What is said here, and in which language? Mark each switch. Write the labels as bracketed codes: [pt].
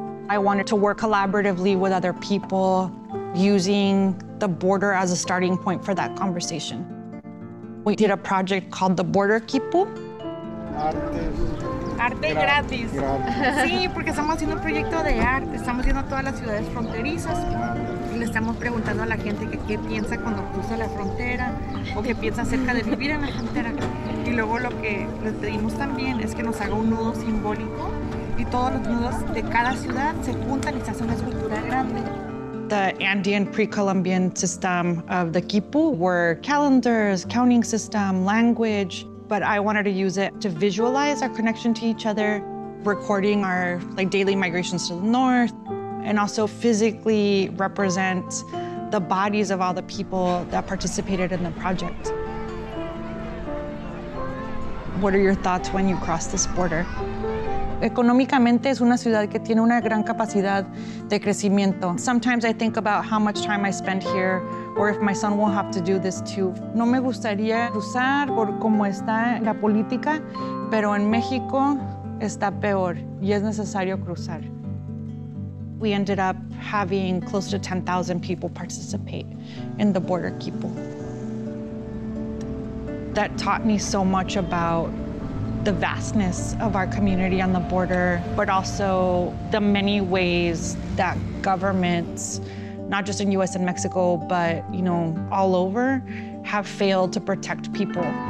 [en] I wanted to work collaboratively with other people, using the border as a starting point for that conversation. We did a project called the Border Kipu. [es] Arte gratis. Sí, porque estamos haciendo un proyecto de arte. Estamos viendo todas las ciudades fronterizas y le estamos preguntando a la gente que qué piensa cuando cruza la frontera o qué piensa acerca de vivir en la frontera. Y luego lo que le pedimos también es que nos haga un nudo simbólico. [en] The Andean pre-Columbian system of the Kipu were calendars, counting system, language, but I wanted to use it to visualize our connection to each other, recording our like daily migrations to the north, and also physically represent the bodies of all the people that participated in the project. What are your thoughts when you cross this border? [es] Economicamente es una ciudad que tiene una gran capacidad de crecimiento. [en] Sometimes I think about how much time I spend here or if my son will have to do this too. [es] No me gustaría cruzar por cómo está la política, pero en México está peor y es necesario cruzar. [en] We ended up having close to 10,000 people participate in the Border Kipu. That taught me so much about the vastness of our community on the border, but also the many ways that governments, not just in US and Mexico, but you know, all over, have failed to protect people.